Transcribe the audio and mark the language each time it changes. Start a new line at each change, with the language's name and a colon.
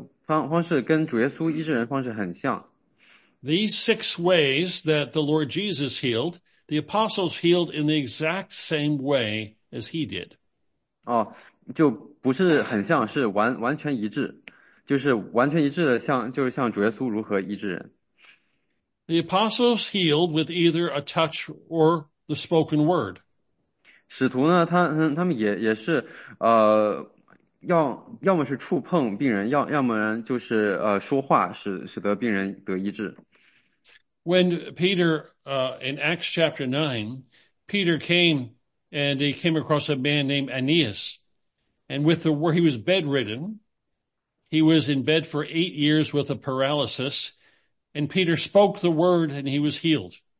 Chinese: 我们可以看到，就是这些使徒他们医治人的方式跟主耶稣医治人方式很像。
English: These six ways that the Lord Jesus healed, the apostles healed in the exact same way as he did.
Chinese: 就不是很像，是完全一致，就是完全一致的像，就是像主耶稣如何医治人。
English: The apostles healed with either a touch or the spoken word.
Chinese: 使徒呢，他们也是，要么是触碰病人，要么就是说话使得病人得医治。
English: When Peter, in Acts chapter 9, Peter came and he came across a man named Aeneas. And with the word, he was bedridden. He was in bed for 8 years with a paralysis. And Peter spoke the word and he was healed.